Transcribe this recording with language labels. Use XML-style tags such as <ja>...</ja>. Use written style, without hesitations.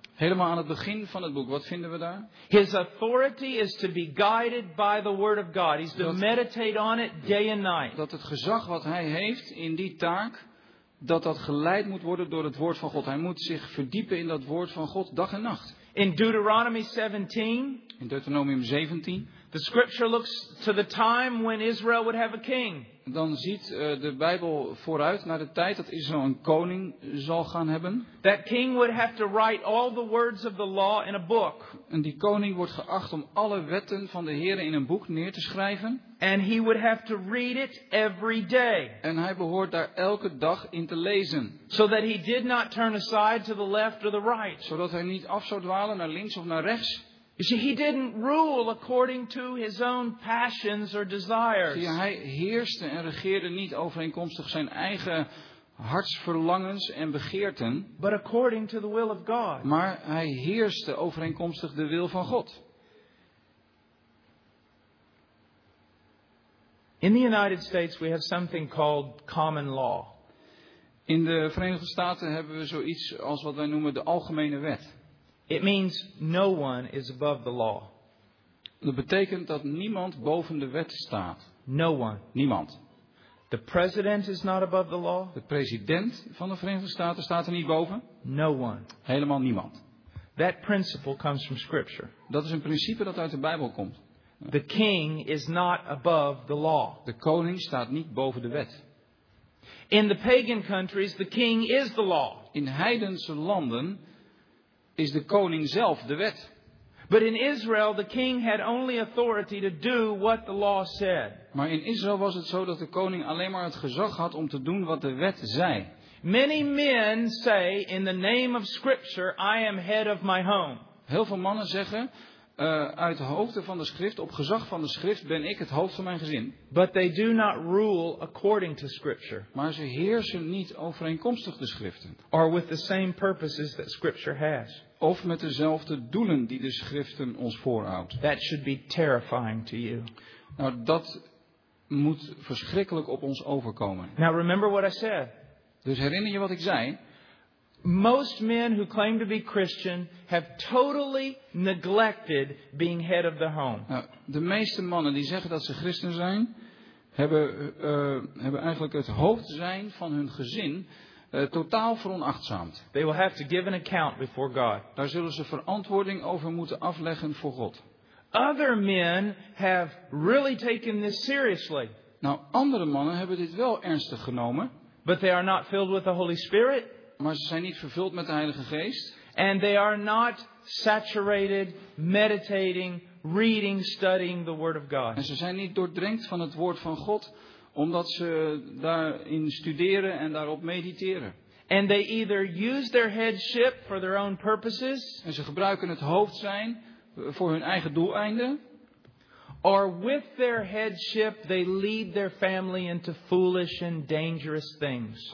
<nl>Helemaal aan het begin van het boek, wat vinden we daar?</nl> <en>His authority is to be guided by the word of God. He's to meditate on it day and night.</en> <nl>Dat het gezag wat hij heeft in die taak, dat geleid moet worden door het woord van God. Hij moet zich verdiepen in dat woord van God dag en nacht.</nl> <en>In Deuteronomy 17.</en> <nl>In Deuteronomium 17.</nl> <en>The scripture looks to the time when Israel would have a king.</en> <nl>Dan ziet de Bijbel vooruit naar de tijd dat Israël een koning zal gaan hebben.</nl> <en>That king would have to write all the words of the law in a book.</en> <nl>En die koning wordt geacht om alle wetten van de Heere in een boek neer te schrijven.</nl> <en>And he would have to read it every day.</en> <nl>En hij behoort daar elke dag in te lezen.</nl> <en>So that he did not turn aside to the left or the right.</en> <nl>Zodat hij niet af zou dwalen naar links of naar rechts.</nl> <en>You see, he didn't rule according to his own passions or desires.</en> <nl>Zie, hij heerste en regeerde niet overeenkomstig zijn eigen hartsverlangens en begeerten.</nl> <en>But according to the will of God.</en> <nl>Maar hij heerste overeenkomstig de wil van God.</nl> <en>In the United States we have something called common law.</en> <nl>In de Verenigde Staten hebben we zoiets als wat wij noemen de algemene wet.</nl> <en>It means no one is above the law.</en> <nl>Dat betekent dat niemand boven de wet staat.</nl> <en>No one.</en> <nl>Niemand.</nl> <en>The president is not above the law.</en> <nl>De president van de Verenigde Staten staat er niet boven.</nl> <en>No one.</en> <nl>Helemaal niemand.</nl> <en>That principle comes from scripture.</en> <nl>Dat is een principe dat uit de Bijbel komt.</nl> <en>The king is not above the law.</en> <nl>De koning staat niet boven de wet.</nl> <en>In the pagan countries, the king is the law.</en> <nl>In heidense landen is de koning zelf de wet.</nl> <en>But in Israel, the king had only authority to do what the law said.</en> <nl>Maar in Israël was het zo dat de koning alleen maar het gezag had om te doen wat de wet zei.</nl> <en>Many men say, in the name of Scripture, I am head of my home.</en> <nl>Heel veel mannen zeggen, uit hoofde van de schrift, op gezag van de schrift, ben ik het hoofd van mijn gezin.</nl> <en>But they do not rule according to scripture.</en> <nl>Maar ze heersen niet overeenkomstig de schriften.</nl> <en>Or with the same purposes that scripture has.</en> <nl>Of met dezelfde doelen die de schriften ons voorhoudt.</nl> <en>That should be terrifying to you.</en> <nl>Nou, dat moet verschrikkelijk op ons overkomen.</nl> <en>Now remember what I said.</en> <nl>Dus herinner je wat ik zei?</nl> <en>Most men who claim to be Christian have totally neglected being head of the home.</en> <nl>Nou, de meeste mannen die zeggen dat ze christen zijn, hebben eigenlijk het hoofd zijn van hun gezin totaal veronachtzaamd.</nl> <en>They will have to give an account before God.</en> <nl>Daar zullen ze verantwoording over moeten afleggen voor God.</nl> <en>Other men have really taken this seriously.</en> <nl>Nou, andere mannen hebben dit wel ernstig genomen.</nl> <en>But they are not filled with the Holy Spirit.</en> <nl>Maar ze zijn niet vervuld met de Heilige Geest.</nl> <en>And they are not saturated, meditating, reading, studying the Word of God.</en> <nl>En ze zijn niet doordrenkt van het Woord van God, omdat ze daarin studeren en daarop mediteren.</nl> <en>And they either use their headship for their own purposes.</en> <nl>En ze gebruiken het hoofd zijn voor hun eigen doeleinden.</nl> <en>Or with their headship they lead their family into foolish and dangerous things.</en>